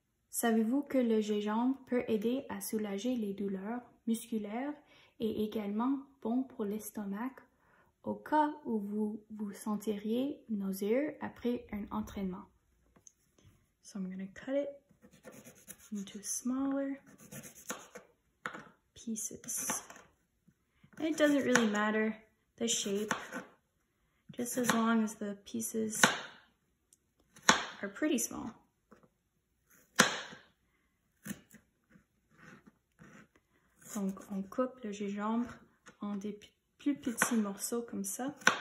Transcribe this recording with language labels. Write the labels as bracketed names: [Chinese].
[French] Savez-vous que le gingembre peut aider à soulager les douleurs musculaires et également bon pour l'estomac au cas où vous vous sentiriez nauséeux après un entraînement? [English] So I'm going to cut it into smaller pieces. It doesn't really matter the shape, just as long as the pieces are pretty small. [French] Donc, on coupe le gingembre en des plus petits morceaux comme ça.